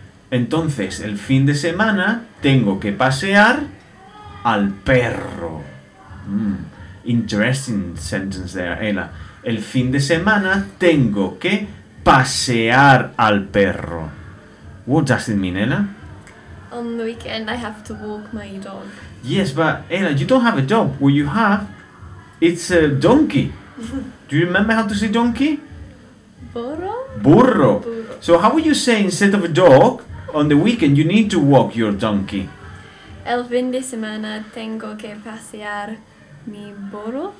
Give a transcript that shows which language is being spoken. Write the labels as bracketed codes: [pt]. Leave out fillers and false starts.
[es] Entonces, el fin de semana tengo que pasear al perro. Mm. [en] Interesting sentence there, Ella. [es] El fin de semana tengo que pasear al perro. [en] What does it mean, Ella? On the weekend, I have to walk my dog. Yes, but Ella, you don't have a dog. What you have, it's a donkey. Do you remember how to say donkey? [es] Burro? Burro. Burro. [en] So how would you say, instead of a dog, on the weekend, you need to walk your donkey? [es] El fin de semana tengo que pasear mi burro.